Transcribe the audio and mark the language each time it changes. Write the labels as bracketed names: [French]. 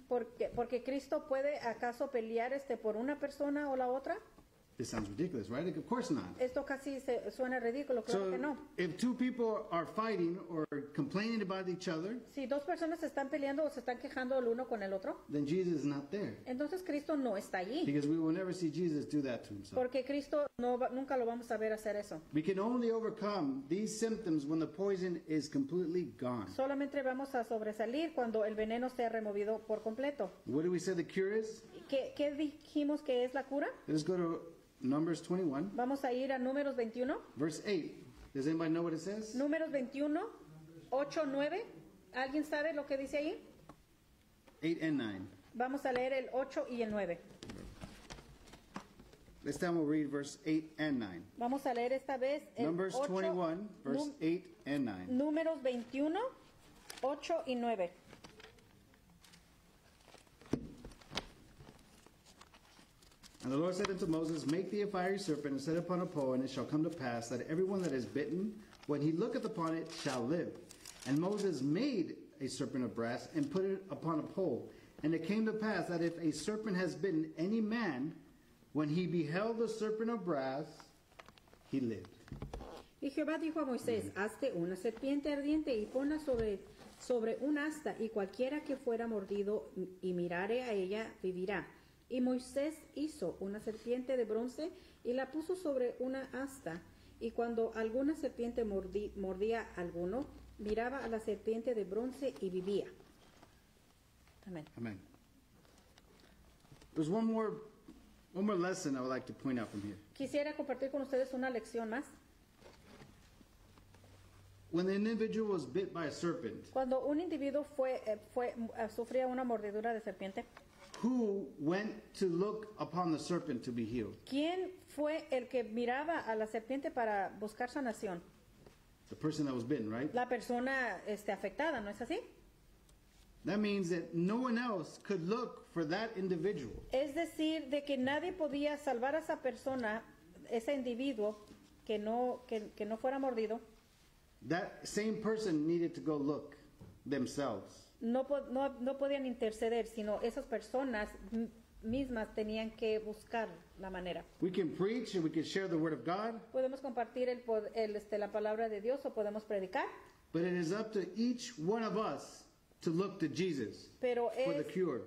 [Spanish] Porque Cristo puede acaso pelear por una persona o la otra? [English] This sounds ridiculous, right? Like, of course not. [Spanish] Esto casi suena ridículo, claro que no. [English] If two people are fighting or complaining about each other, [Spanish] si dos personas están peleando o se están quejando el uno con el otro, [English] then Jesus is not there. [Spanish] Entonces Cristo no está allí. [English] Because we will never see Jesus do that to himself. [Spanish] Porque Cristo no va, nunca lo vamos a ver hacer eso. [English] We can only overcome these symptoms when the poison is completely gone. [Spanish] Solamente vamos a sobresalir cuando el veneno sea removido por completo. [English] What do we say the cure is? [Spanish] ¿Qué dijimos que es la cura? [English] Let's go to Numbers 21. [Spanish] Vamos a ir a Números 21. [English] Verse 8. Does anybody know what it says? [Spanish] Números 21, 8, 9. ¿Alguien sabe lo que dice ahí? [English] 8 and 9. [Spanish] Vamos a leer el 8 y el 9. [English] This time we'll read verse 8 and 9. [Spanish] Vamos a leer esta vez el [English] Numbers 8, 21, verse 8 and 9. [Spanish] Números 21, 8 y 9. [English] And the Lord said unto Moses, make thee a fiery serpent and set it upon a pole, and it shall come to pass that everyone that is bitten, when he looketh upon it, shall live. And Moses made a serpent of brass and put it upon a pole. And it came to pass that if a serpent has bitten any man, when he beheld the serpent of brass, he lived. [Spanish] Y Jehová dijo a Moisés, hazte una serpiente ardiente y ponla sobre un asta, y cualquiera que fuera mordido y mirare a ella vivirá. Y Moisés hizo una serpiente de bronce y la puso sobre una asta. Y cuando alguna serpiente mordía a alguno, miraba a la serpiente de bronce y vivía. Amén. [English] Amén. There's one more lesson I would like to point out from here. [Spanish] Quisiera compartir con ustedes una lección más. [English] When the individual was bit by a serpent. [Spanish] Cuando un individuo sufría una mordedura de serpiente. [English] Who went to look upon the serpent to be healed? [Spanish] ¿Quién fue el que miraba a la serpiente para buscar sanación? [English] The person that was bitten, right? [Spanish] La persona afectada, ¿no es así? [English] That means that no one else could look for that individual. [Spanish] Es decir, de que nadie podía salvar a esa persona, ese individuo que no fuera mordido. [English] That same person needed to go look themselves. [Spanish] No podían interceder, sino esas personas mismas tenían que buscar la manera. [English] We can preach and we can share the word of God. [Spanish] Podemos compartir la palabra de Dios o podemos predicar. [English] But it is up to each one of us to look to Jesus for the cure.